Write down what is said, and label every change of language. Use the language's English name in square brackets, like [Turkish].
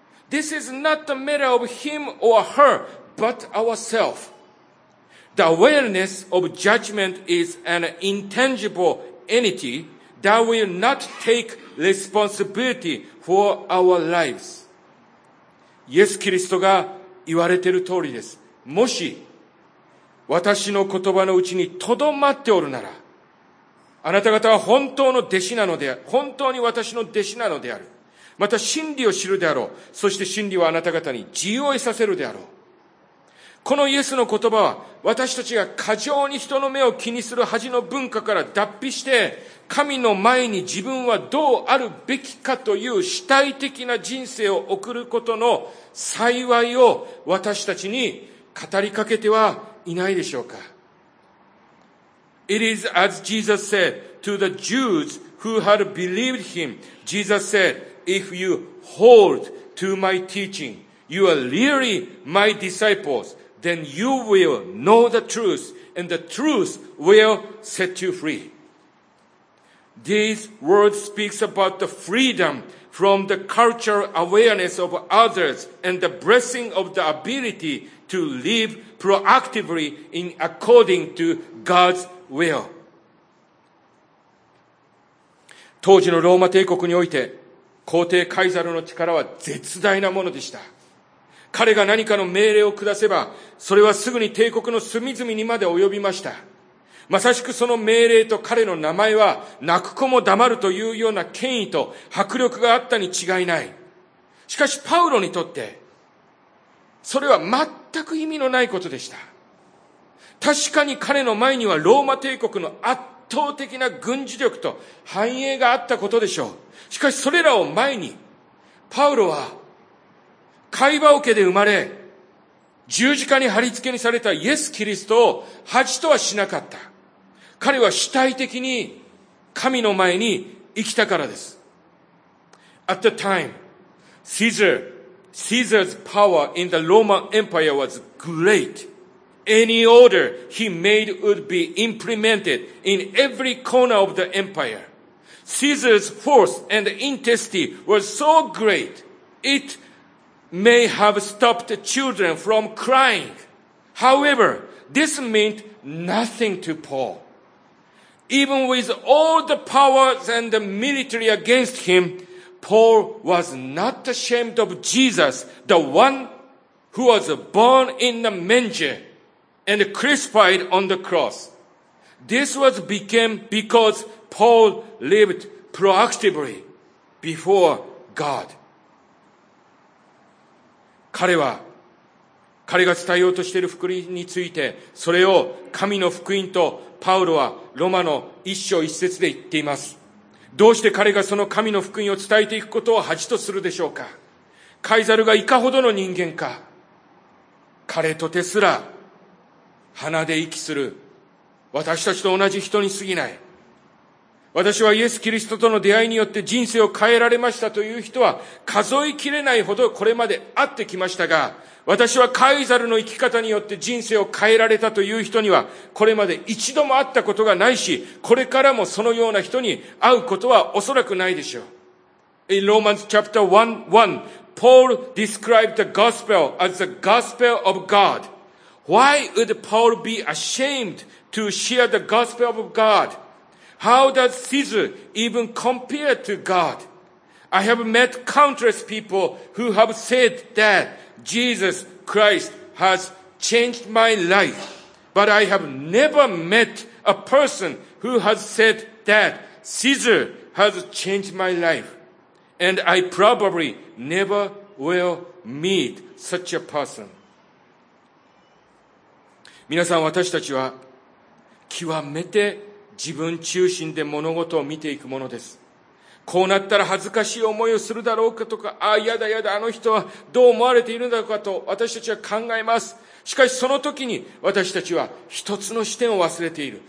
[English] This is not a matter of him or her, but ourself. The awareness of judgment is an intangible entity that will not take responsibility for our lives. [Japanese] イエス・キリストが言われている通りです。もし私の言葉のうちにとどまっておるなら、あなた方は本当の弟子なのである。本当に私の弟子なのである。また真理を知るであろう。そして真理はあなた方に自由を得させるであろう。このイエスの言葉は、私たちが過剰に人の目を気にする恥の文化から脱皮して、神の前に自分はどうあるべきかという主体的な人生を送ることの幸いを私たちに語りかけてはいないでしょうか。 [English] It is as Jesus said to the Jews who had believed him. Jesus said, If you hold to my teaching, you are really my disciples. Then you will know the truth, and the truth will set you free. These words speak about the freedom from the cultural awareness of others and the blessing of the ability to live proactively in according to God's will. [Japanese] 当時のローマ帝国において、皇帝カイザルの力は絶大なものでした。彼が何かの命令を下せば、それはすぐに帝国の隅々にまで及びました。まさしくその命令と彼の名前は、泣く子も黙るというような権威と迫力があったに違いない。しかしパウロにとって、それは全く意味のないことでした。確かに彼の前にはローマ帝国の圧倒的な軍事力と繁栄があったことでしょう。しかしそれらを前に、パウロは、カイバオ家で生まれ、十字架に貼り付けにされたイエス・キリストを恥とはしなかった。彼は主体的に神の前に生きたからです。 [English] At the time, Caesar's power in the Roman Empire was great. Any order he made would be implemented in every corner of the empire. Caesar's force and intensity were so great, it may have stopped children from crying. However, this meant nothing to Paul. Even with all the powers and the military against him, Paul was not ashamed of Jesus, the one who was born in the manger and crucified on the cross. This was became because Paul lived proactively before God. [Japanese] 彼が伝えようとしている福音について、それを神の福音とパウロはロマの一章一節で言っています。どうして彼がその神の福音を伝えていくことを恥とするでしょうか。カイザルがいかほどの人間か。彼とてすら鼻で息する私たちと同じ人に過ぎない。私はイエス・キリストとの出会いによって人生を変えられましたという人は数えきれないほどこれまで会ってきましたが、私はカイザルの生き方によって人生を変えられたという人にはこれまで一度も会ったことがないし、これからもそのような人に会うことはおそらくないでしょう。 [English] In Romans chapter 1:1, Paul described the gospel as the gospel of God. Why would Paul be ashamed to share the gospel of God? How does Caesar even compare to God? I have met countless people who have said that Jesus Christ has changed my life, but I have never met a person who has said that Caesar has changed my life, and I probably never will meet such a person. [Japanese] 皆さん、私たちは極めて自分中心で物事を見ていくものです。こうなったら恥ずかしい思いをするだろうかとか、ああ、やだやだ、あの人はどう思われているんだろうかと私たちは考えます。しかしその時に私たちは一つの視点を忘れている。